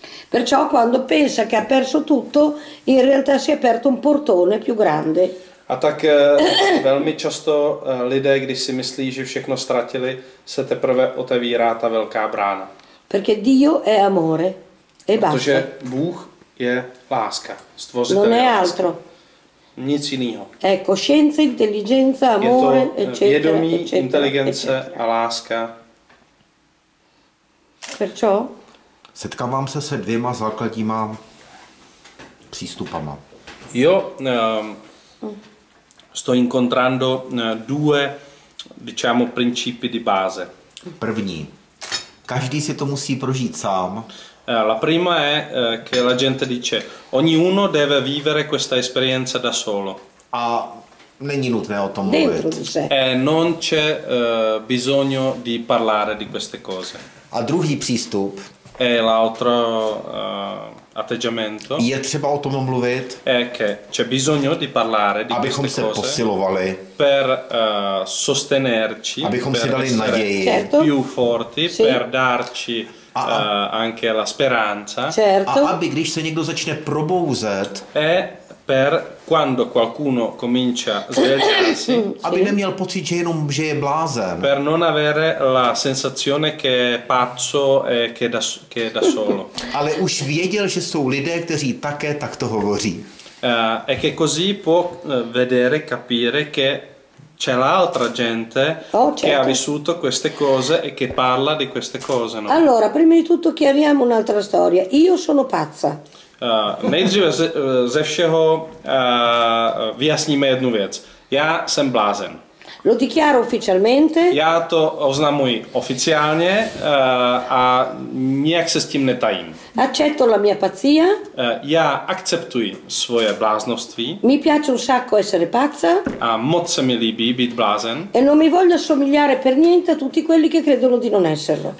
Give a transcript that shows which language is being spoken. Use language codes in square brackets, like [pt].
[it] Perciò quando pensa che ha perso tutto, in realtà si è aperto un portone più grande. [cs] A tak velmi často lidé, když si myslí, že všechno ztratili, se teprve otevírá ta velká brána. [it] Perché Dio è amore e basta. [cs] Protože Bůh je láska, stvořitel. [it] Non è altro. [cs] Nic jiného. [it] Ecco, scienza, intelligenza, amore, eccetera. [cs] Vědomí, [it] eccetera, [cs] inteligence eccetera. A láska. [it] Perciò? [cs] Setkávám se se dvěma základníma přístupama. [it] Jo, sto incontrando due, diciamo, principi di base. [cs] První. Každý si to musí prožít sám. [it] La prima è che la gente dice ogni uno deve vivere questa esperienza da solo. [cs] A není nutné o tom mluvit. [it] Non c'è bisogno di parlare di queste cose. [cs] A druhý přístup [it] è l'altro atteggiamento. [cs] Je třeba o tom mluvit. [it] È che c'è bisogno di parlare di queste cose. [cs] Abychom se posilovali. [it] Per sostenerci. [cs] Abychom si dali naději. [it] Certo. Più forti sì. Per darci anche la speranza. Certo. [cs] A aby když se někdo začne probouzet. [it] È per quando qualcuno comincia a svegliarsi, [cs] aby neměl pocit, že jenom že je blázen. [it] Per non avere la sensazione che è pazzo e che è da solo. [cs] Ale už věděl, že jsou lidé, kteří také takto hovoří. [it] E che così può vedere, capire che c'è l'altra gente che ha vissuto queste cose e che parla di queste cose, no? Allora, prima di tutto chiariamo un'altra storia. Io sono pazza. [cs] Nejdříve ze všeho vyjasníme jednu věc. Já jsem blázen. [it] Lo dichiaro ufficialmente. [cs] Já to oznamuji oficiálně a nijak se s tím netajím. [it] Accetto la mia pazzia. [cs] Já akceptuji svoje bláznoství. [it] Mi piace un sacco essere pazza. [cs] A moc se mi líbí být blázen. [it] E non mi voglio assomigliare per niente a tutti quelli che credono di non esserlo.